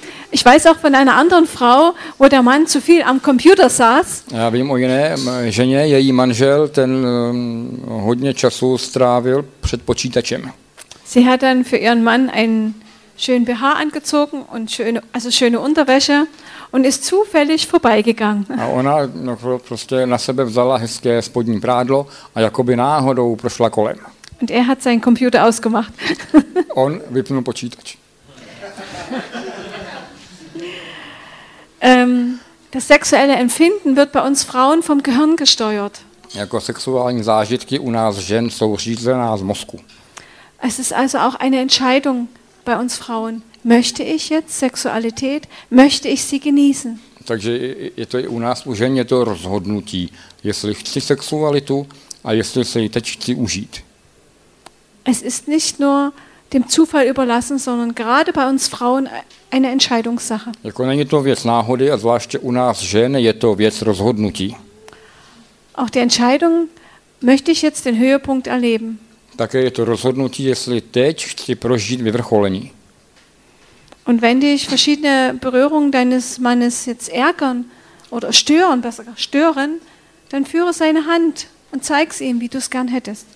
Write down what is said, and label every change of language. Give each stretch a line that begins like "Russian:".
German: Ich weiß auch von einer anderen Frau, wo der Mann zu viel am Computer saß.
Czech: Já vím o jiné ženě, její manžel, ten hodně času strávil před počítačem.
German: Sie hat dann für ihren Mann einen schönen BH angezogen und schöne Unterwäsche und ist zufällig vorbeigegangen.
Czech: A ona prostě na sebe vzala hezké spodní prádlo a jakoby náhodou prošla kolem.
German: Und er hat seinen Computer ausgemacht.
Czech: On vypnul počítač.
German: Das sexuelle Empfinden wird bei uns Frauen vom Gehirn gesteuert.
Czech: Jako sexuální zážitky u nás žen jsou řízená z mozku.
German: Es ist also auch eine Entscheidung bei uns Frauen. Möchte ich jetzt Sexualität? Möchte ich sie genießen?
Czech: Takže je to i u nás u žen je to rozhodnutí, jestli chci sexualitu a jestli se ji teď chci užít.
German: Es ist nicht nur dem Zufall überlassen, sondern gerade bei uns Frauen eine Entscheidungssache.
Czech: Jako není to věc náhody a zvláště u nás žen je to věc rozhodnutí.
German: Auch die Entscheidung, möchte ich jetzt den Höhepunkt erleben.
Czech: Také je to rozhodnutí, jestli teď chci prožít vyvrcholení.
German: Und wenn dich verschiedene Berührungen deines Mannes jetzt ärgern oder stören, besser gesagt stören, dann führe seine Hand und zeig's ihm, wie du es gern hättest.